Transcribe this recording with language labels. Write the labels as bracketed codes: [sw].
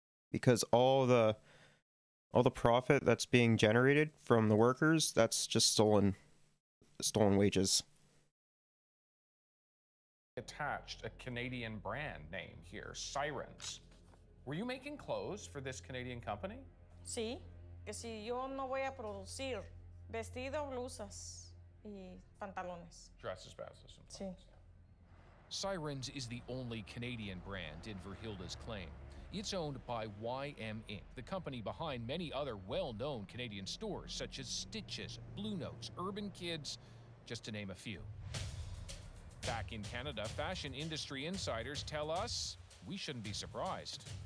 [en] Because all the profit that's being generated from the workers, that's just stolen wages. Attached a Canadian brand name here, Sirens. Were you making clothes for this Canadian company? [es] Sí, que si yo no voy a producir vestido, blusas y pantalones. [en] Dresses, blouses, and [es] sí. [en] Sirens is the only Canadian brand in Virgilda's claim. It's owned by YM Inc., the company behind many other well-known Canadian stores such as Stitches, Blue Notes, Urban Kids, just to name a few. Back in Canada, fashion industry insiders tell us we shouldn't be surprised.